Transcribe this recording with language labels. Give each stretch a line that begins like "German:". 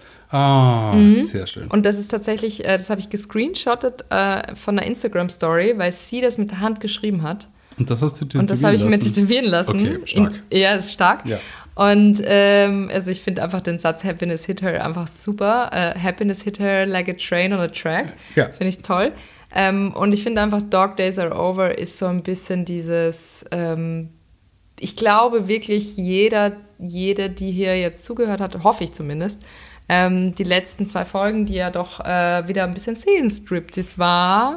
German: Ah, sehr schön. Und das ist tatsächlich, das habe ich gescreenshottet von einer Instagram-Story, weil sie das mit der Hand geschrieben hat. Und das hast du tätowieren lassen? Und das habe ich mir tätowieren lassen. Okay, stark. Ja, ist stark. Ja. Und also ich finde einfach den Satz Happiness Hit Her einfach super.
English: Happiness Hit Her like a train on a track.
German: Ja. Finde ich toll. Und ich finde einfach Dog Days Are Over ist so ein bisschen dieses, ich glaube wirklich jede, die hier jetzt zugehört hat, hoffe ich zumindest, die letzten 2 Folgen, die ja doch wieder ein bisschen Seelenstriptease war.